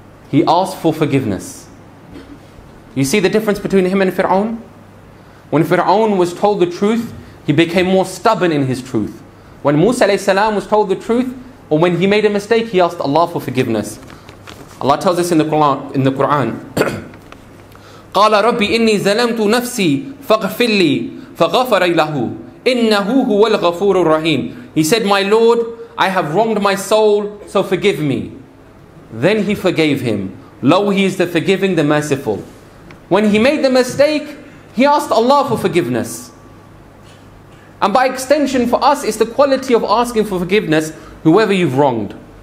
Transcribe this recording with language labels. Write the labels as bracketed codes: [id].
[en] He asked for forgiveness. You see the difference between him and Fir'aun? When Fir'aun was told the truth, he became more stubborn in his truth. When Musa alayhi salam was told the truth, or when he made a mistake, he asked Allah for forgiveness. [ar] Allah tells us in the Quran, قَالَ رَبِّ إِنِّي زَلَمْتُ نَفْسِي فَغْفِرْ لِي فَغَفَرَ لَهُ إِنَّهُ هُوَ الْغَفُورُ الرَّحِيمُ. [en] He said, "My Lord, I have wronged my soul, so forgive me." Then he forgave him. Lo, he is the forgiving, the merciful. When he made the mistake, he asked Allah for forgiveness. And by extension for us, it's the quality of asking for forgiveness, whoever you've wronged.